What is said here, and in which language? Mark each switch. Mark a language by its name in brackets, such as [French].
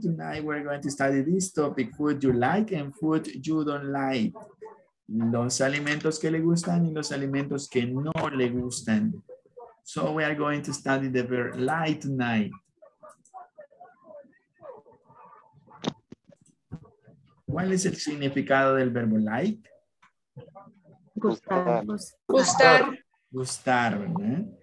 [English] Tonight we're going to study this topic, food you like and food you don't like. [Spanish] Los alimentos que le gustan y los alimentos que no le gustan. [English] So we are going to study the verb like tonight. [Spanish] ¿Cuál es el significado del verbo like? Gustar. Gustar, ¿verdad?